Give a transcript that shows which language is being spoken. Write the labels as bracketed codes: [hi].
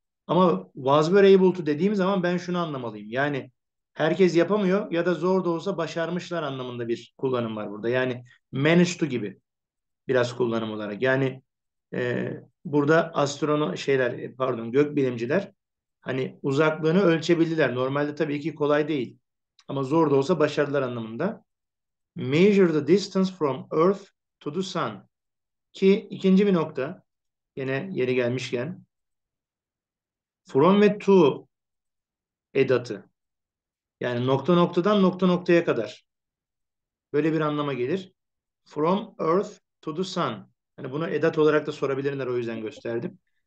[tr] Ama [en] was were able to [tr] dediğim zaman ben şunu anlamalıyım. Yani herkes yapamıyor ya da zor da olsa başarmışlar anlamında bir kullanım var burada. Yani [en] managed to [tr] gibi biraz kullanım olarak. Yani burada astrono şeyler pardon gökbilimciler hani uzaklığını ölçebildiler. Normalde tabii ki kolay değil. Ama zor da olsa başarılar anlamında. [en] Measure the distance from Earth to the Sun. [tr] Ki ikinci bir nokta yine yeri gelmişken from ve to edatı. Yani nokta noktadan nokta noktaya kadar. Böyle bir anlama gelir. [en] From Earth to the Sun. [tr] Hani bunu edat olarak da sorabilirler o yüzden gösterdim.